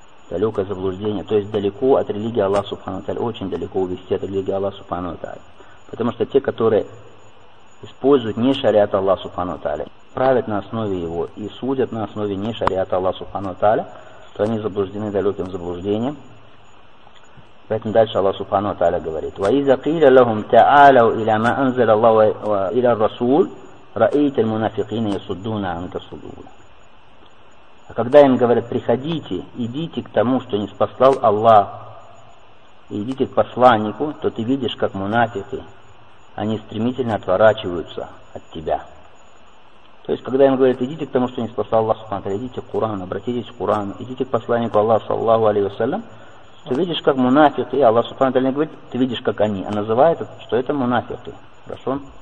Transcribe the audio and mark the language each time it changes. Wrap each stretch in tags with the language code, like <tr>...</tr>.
<ru>далекое заблуждение, то есть далеко от религии Аллах Субхану Таля, очень далеко увести от религии Аллах Субхану Таля. Потому что те, которые используют не шариат Аллах Субхану Таля, правят на основе его и судят на основе не шариата Аллах Субхану Таля, то они заблуждены далеким заблуждением. Поэтому дальше Аллах Субхану Таля говорит:</ru> <ar>وَإِذَا قِيلَ لَهُمْ تَعَالَوْا إِلَى مَا أَنزَلَ اللَّهُ وَإِلَى الرَّسُولِ رَأَيْتَ الْمُنَافِقِينَ يَصُدُّونَ عَنكَ صُدُودًا.</ar> <ru>А когда им говорят: приходите, идите к тому, что ниспослал Аллах, идите к посланнику, то ты видишь, как мунафики, они стремительно отворачиваются от тебя. То есть, когда им говорят: идите к тому, что ниспослал Аллах, идите к Курану, обратитесь к Курану, идите к посланнику Аллаха, саллаллаху алейхи ва саллям, ты видишь, как мунафики, Аллах Субхану Таля говорит, ты видишь, как они, а называет, что это мунафики. Хорошо?</ru>